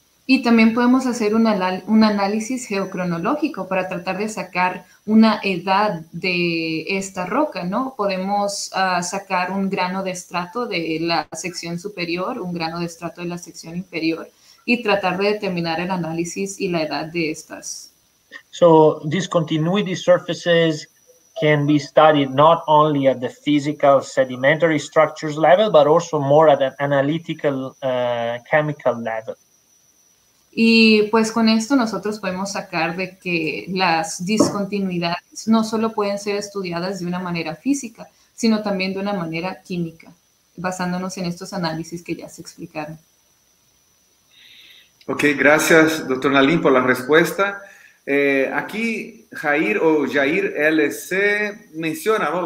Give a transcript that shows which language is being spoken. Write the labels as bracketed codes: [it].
[es] Y también podemos hacer un análisis geocronológico para tratar de sacar una edad de esta roca, ¿no? Podemos sacar un grano de estrato de la sección superior, un grano de estrato de la sección inferior, y tratar de determinar el análisis y la edad de estas. [en] So, discontinuity surfaces can be studied not only at the physical sedimentary structures level, but also more at an analytical chemical level. [es] Y pues con esto nosotros podemos sacar de que las discontinuidades no solo pueden ser estudiadas de una manera física, sino también de una manera química, basándonos en estos análisis que ya se explicaron. Ok, gracias, doctor Nalin, por la respuesta. Aquí Jair o Jair LC menciona, ¿no?